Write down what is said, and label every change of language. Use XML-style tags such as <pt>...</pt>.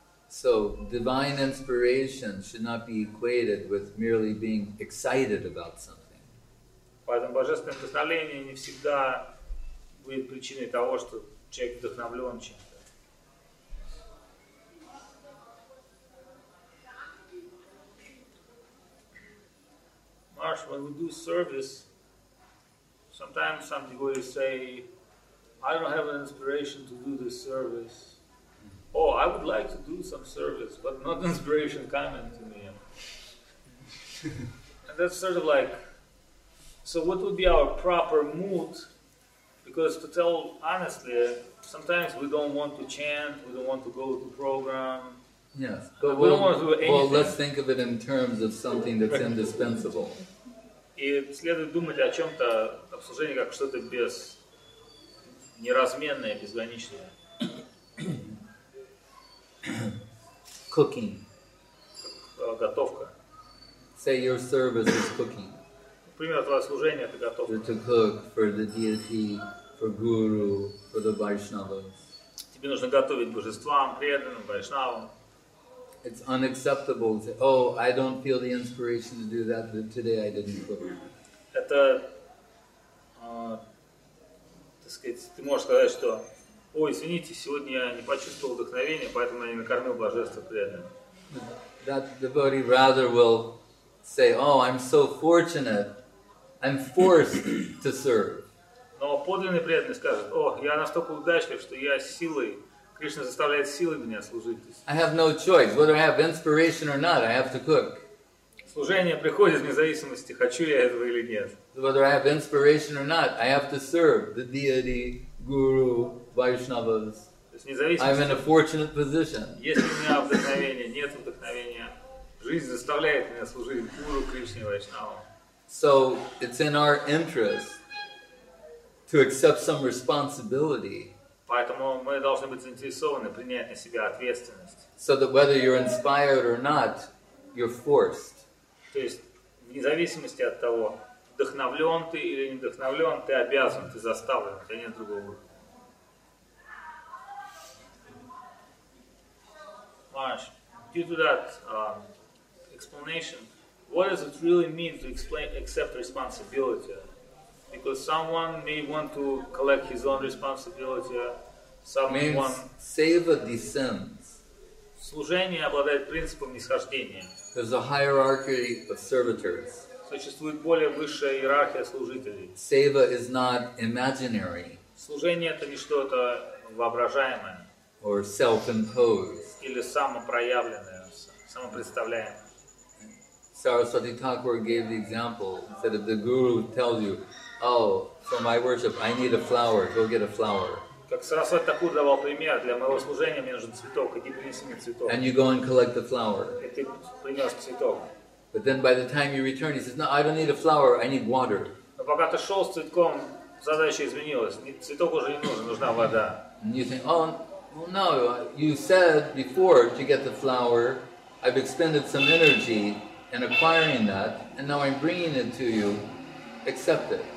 <en>So divine inspiration should not be equated with merely being excited about something.</en> <ru>Поэтому божественное вдохновение не всегда будет причиной того, что человек вдохновлен чем-то.</ru> <en>Marsh, when we do service, sometimes some devotees say, I don't have an inspiration to do this service. Oh, I would like to do some service, but not inspiration coming to me. And that's sort of like, so what would be our proper mood? Because to tell honestly, sometimes we don't want to chant, we don't want to go to program. Yes, but we don't want to do anything. Well, let's think of it in terms of something that's indispensable.</en> <ru>И следует думать о чем-то, обслужении как что-то без неразменное, безграничное.</ru> <en>Cooking.</en> <ru>Готовка.</ru> <en>Say your service is cooking.</en> <ru>Например, твое служение это готовка.</ru> <en>To cook for the deity, for guru, for the Vaishnavas.</en> <ru>Тебе нужно готовить божествам, преданным, Вайшнавам.</ru> <en>It's unacceptable to say, oh, I don't feel the inspiration to do that, but today I didn't cook.</en> <ru>Это, так сказать, ты можешь сказать, что ой, извините, сегодня я не почувствовал вдохновения, поэтому я не накормил божество преданным.</ru> <en>That devotee rather will say, oh, I'm so fortunate, I'm forced to serve.</en> <ru>Но подлинный преданный скажет, о, я настолько удачлив, что я силой, Кришна заставляет силой меня служить.</ru> <en>I have no choice, whether I have inspiration or not, I have to cook.</en> <ru>Служение приходит вне зависимости, хочу я этого или нет.</ru> <en>Whether I have inspiration or not, I have to serve the deity, guru, Vaishnavas. I'm in a fortunate position.</en> <ru>Если у меня вдохновение, нет вдохновения, жизнь заставляет меня служить гуру, Кришне, Вайшнавам.</ru> <en>So it's in our interest to accept some responsibility.</en> <ru>Поэтому мы должны быть заинтересованы принять на себя ответственность.</ru> <en>So that whether you're inspired or not, you're forced.</en> <ru>То есть вне зависимости от того, вдохновлен ты или не вдохновлен, ты обязан, ты заставлен, у тебя нет другого выбора.</ru> <en>Marsh, due to that explanation, what does it really mean to explain accept responsibility? Because someone may want to collect his own responsibility. Someone seva descends.</en> <ru>Служение обладает принципом нисхождения.</ru> <en>There's a hierarchy of servitors.</en> <ru>Существует более высшая иерархия служителей.</ru> <en>Seva is not imaginary.</en> <ru>Служение это не что-то воображаемое.</ru> <en>Or self-imposed.</en> <ru>Или самопроявленное, самопредставляемое.</ru> <en>Saraswati Thakur gave the example that if the guru tells you, oh, for my worship, I need a flower, go get a flower.</en> <ru>Как Сарасвати Такур давал пример, для моего служения мне нужен цветок, иди принеси мне цветок.</ru> <en>And you go and collect the flower.</en> <ru>И ты принес цветок.</ru> <en>But then by the time you return, he says, no, I don't need a flower, I need water.</en> <ru>Но пока ты шел с цветком, задача изменилась. Цветок уже не нужен, нужна вода.</ru> <en>And you think, oh, well, no, you said before to get the flower, I've expended some energy in acquiring that, and now I'm bringing it to you, accept it.</en>